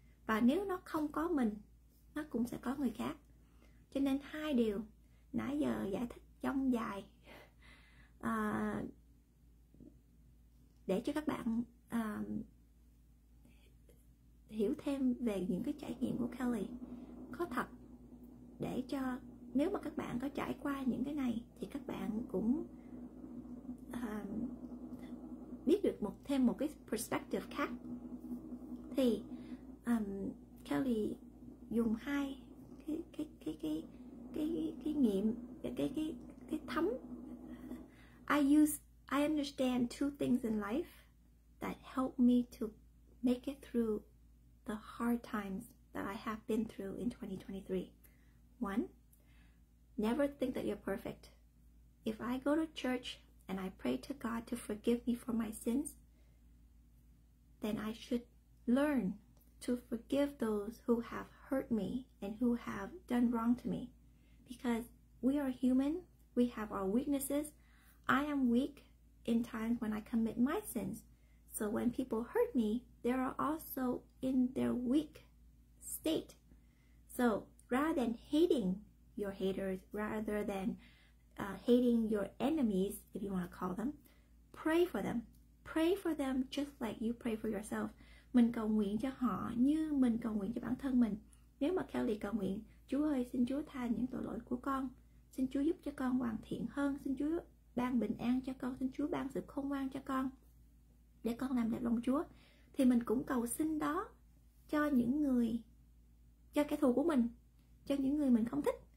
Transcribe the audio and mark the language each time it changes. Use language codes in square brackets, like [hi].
[vi] Và nếu nó không có mình, nó cũng sẽ có người khác. Cho nên hai điều nãy giờ giải thích dông dài để cho các bạn hiểu thêm về những cái trải nghiệm của Kelly có thật, để cho nếu mà các bạn có trải qua những cái này thì các bạn cũng biết được một thêm một cái perspective khác. Thì Kelly dùng hai cái nghiệm, cái thấm. [en] I understand two things in life that help me to make it through the hard times that I have been through in 2023. One, never think that you're perfect. If I go to church and I pray to God to forgive me for my sins, then I should learn to forgive those who have hurt me and who have done wrong to me. Because we are human, we have our weaknesses. I am weak in times when I commit my sins. So when people hurt me, they are also in their weak state. So rather than hating your haters, rather than hating your enemies, if you want to call them, pray for them. Pray for them just like you pray for yourself. [vi] Mình cầu nguyện cho họ như mình cầu nguyện cho bản thân mình. Nếu mà Kelly cầu nguyện, Chúa ơi, xin Chúa tha những tội lỗi của con. Xin Chúa giúp cho con hoàn thiện hơn. Xin Chúa ban bình an cho con. Xin Chúa ban sự khôn ngoan cho con, để con làm đẹp lòng Chúa. Thì mình cũng cầu xin đó cho những người, cho kẻ thù của mình, cho những người mình không thích.